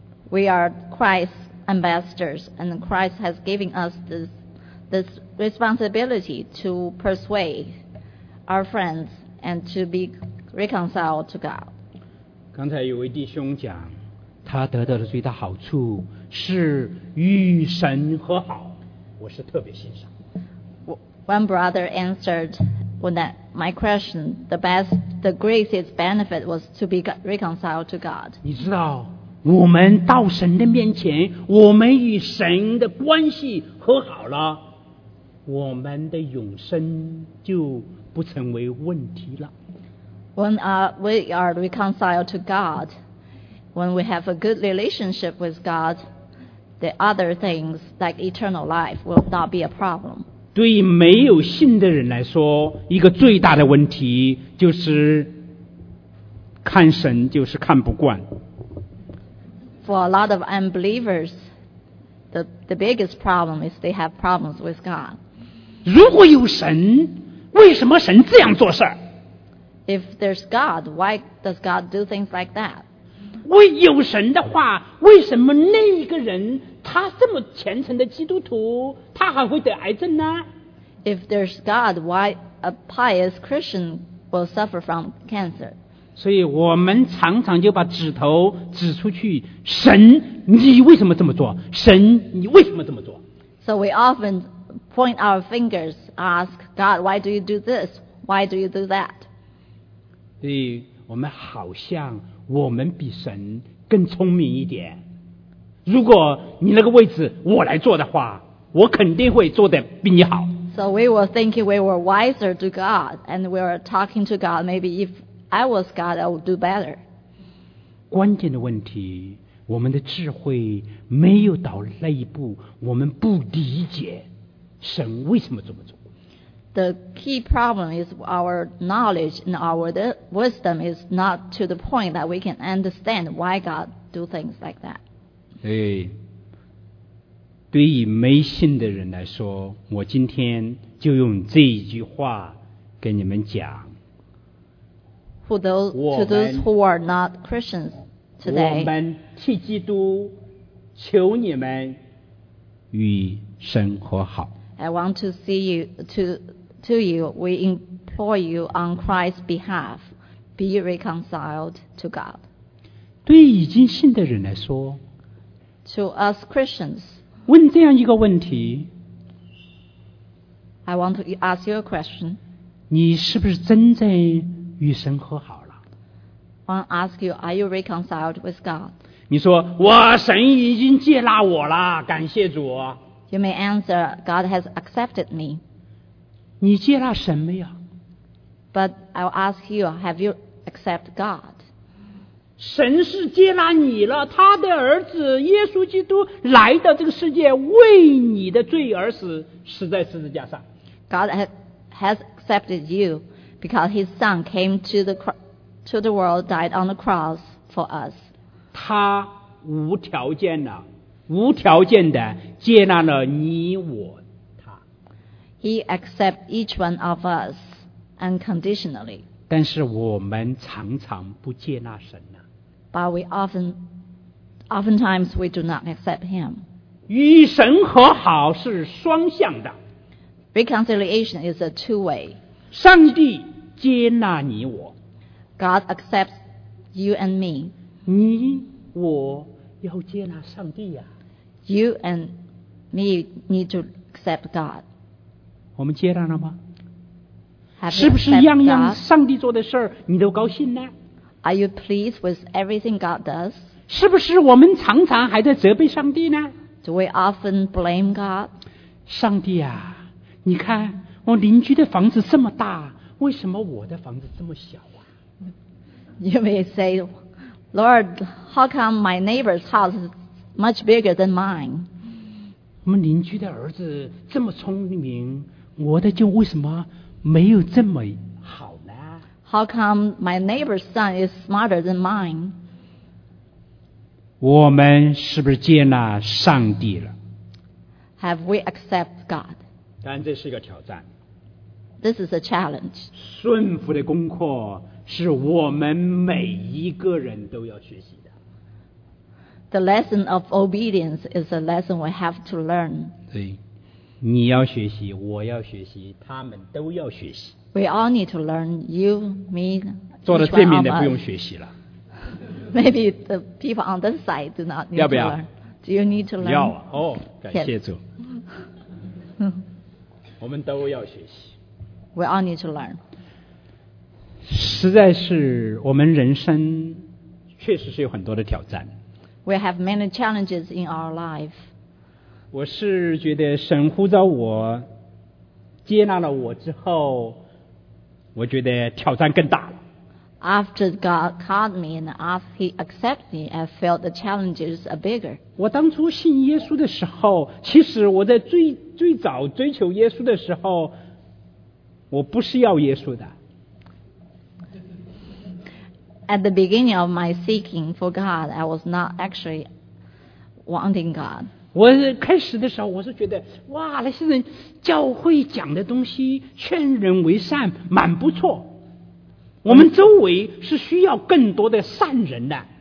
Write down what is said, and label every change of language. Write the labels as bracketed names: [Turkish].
[English] We are Christ's ambassadors, and Christ has given us this responsibility to persuade our friends and to be reconciled to God. [Chinese] 刚才有位弟兄讲，他得到的最大好处是与神和好，我是特别欣赏。 [English] One brother answered when that my question, the greatest benefit was to be reconciled to God. [Chinese] 你知道，我们到神的面前，我们与神的关系和好了，我们的永生就不成为问题了。 [English] When we are reconciled to God, when we have a good relationship with God, the other things like eternal life will not be a problem. [Chinese] 对于没有信的人来说，一个最大的问题就是看神就是看不惯。 [English] For a lot of unbelievers, the biggest problem is they have problems with God. [Chinese] 如果有神，为什么神这样做事？ [English] If there's God, why does God do things like that? [Chinese] 为有神的话，为什么那一个人他这么虔诚的基督徒，他还会得癌症呢？ [English] If there's God, why a pious Christian will suffer from cancer? [Chinese] 所以我们常常就把指头指出去，神，你为什么这么做？神，你为什么这么做？ [English] So we often point our fingers, ask God, why do you do this? Why do you do that? [Chinese] 所以我们好像我们比神更聪明一点。如果你那个位置我来做的话，我肯定会做得比你好。 [English] So we were thinking we were wiser to God, and we were talking to God, maybe if I was God, I would do better. [Chinese] 关键的问题，我们的智慧没有到那一步，我们不理解神为什么这么做。 [English] The key problem is our knowledge and our wisdom is not to the point that we can understand why God do things like that. [Chinese] 对于没信的人来说，我今天就用这一句话跟你们讲。 [English] To those who are not Christians today, [Chinese] 我们替基督求你们与神和好。 [English] I want to see you to you. We implore you on Christ's behalf, be reconciled to God. [Chinese] 对已经信的人来说。 [English] To us Christians, [Chinese] 问这样一个问题， [English] I want to ask you a question. [Chinese] 你是不是真正与神和好了？ [English] I want to ask you, are you reconciled with God? [Chinese] 你说，我神已经接纳我了，感谢主。 [English] You may answer, God has accepted me. [Chinese] 你接纳神没有？ [English] But I'll ask you, have you accepted God? [Chinese] 神是接纳你了，他的儿子耶稣基督来到这个世界，为你的罪而死，死在十字架上。 [English] God has accepted you because His Son came to the world, died on the cross for us. [Chinese] 他无条件的，无条件的接纳了你我他。 [English] He accepts each one of us. Unconditionally. [Chinese] 但是我们常常不接纳神呢。 [English] But we oftentimes we do not accept him. [Chinese] 与神和好是双向的。 [English] Reconciliation is a two-way. [Chinese] 上帝接纳你我。 [English] God accepts you and me. [Chinese] 你我要接纳上帝呀。 [English] You and me need to accept God. [Chinese] 我们接纳了吗？是不是样样上帝做的事儿你都高兴呢？ [English] Are you pleased with everything God does? [Chinese] 是不是我们常常还在责备上帝呢？ [English] Do we often blame God? [Chinese] 上帝啊，你看我邻居的房子这么大，为什么我的房子这么小啊？ [English] You may say, Lord, how come my neighbor's house is much bigger than mine? [Chinese] 我们邻居的儿子这么聪明，我的就为什么没有这么好呢？ [English] How come my neighbor's son is smarter than mine? [Chinese] 我们是不是接纳上帝了？ [English] Have we accept God? [Chinese] 但这是一个挑战。 [English] This is a challenge. [Chinese] 顺服的功课是我们每一个人都要学习的。 [English] The lesson of obedience is a lesson we have to learn. [Chinese] 对。你要学习，我要学习，他们都要学习。 We all need to learn, you, me, each one of us. 做了这面的不用学习了。 [English] Maybe the people on this side do not need to learn. [Chinese] 要不要？ [English] Do you need to learn? [Chinese] 要啊，哦，感谢主。我们都要学习。 [English] We all need to learn. [Chinese] 实在是，我们人生确实是有很多的挑战。 [English] We have many challenges in our life. [Chinese] 我是觉得神呼召我接纳了我之后，我觉得挑战更大了。 [English] After God called me and asked He accept me, I felt the challenges are bigger. [Chinese] 我当初信耶稣的时候，其实我在最早追求耶稣的时候，我不是要耶稣的。 [English] At the beginning of my seeking for God, I was not actually wanting God. [Chinese] 我开始的时候我是觉得哇，那些人教会讲的东西劝人为善蛮不错，我们周围是需要更多的善人的。